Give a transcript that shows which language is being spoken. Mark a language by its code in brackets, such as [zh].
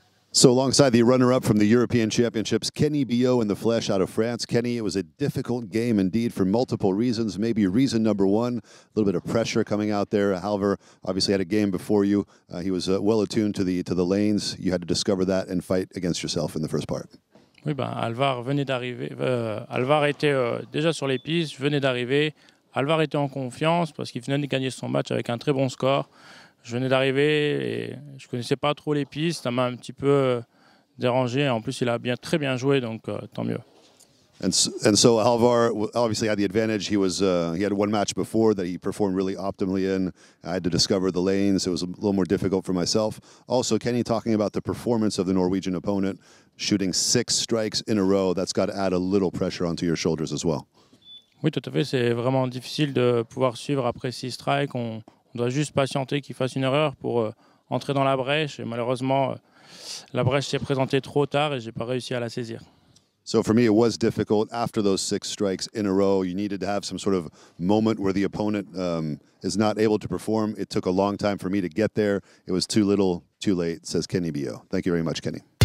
[en] So alongside the runner-up from the European Championships, Kenny Billaut in the flesh out of France. Kenny, it was a difficult game indeed for multiple reasons. Maybe reason number one, a little bit of pressure coming out there. Halvar obviously had a game before you. He was well attuned to the lanes. You had to discover that and fight against yourself in the first part. [fr] Oui, ben, Halvar venait d'arriver. Halvar était déjà sur les pistes, venait d'arriver. Halvar était en confiance parce qu'il venait de gagner son match avec un très bon score. Je venais d'arriver et je ne connaissais pas trop les pistes. Ça m'a un petit peu dérangé. En plus, il a bien, très bien joué, donc tant mieux. [en] And so Halvar obviously had the advantage. He had one match before that he performed really optimally in. I had to discover the lanes. It was a little more difficult for myself. Also, Kenny talking about the performance of the Norwegian opponent, shooting six strikes in a row, that's got to add a little pressure onto your shoulders as well. [fr] Oui, tout à fait. C'est vraiment difficile de pouvoir suivre après six strikes. On doit juste patienter qu'il fasse une erreur pour entrer dans la brèche. Et malheureusement, la brèche s'est présentée trop tard et je n'ai pas réussi à la saisir. [en] So for me, it was difficult after those six strikes in a row. You needed to have some sort of moment where the opponent is not able to perform. It took a long time for me to get there. It was too little, too late, says Kenny Billaut. Thank you very much, Kenny.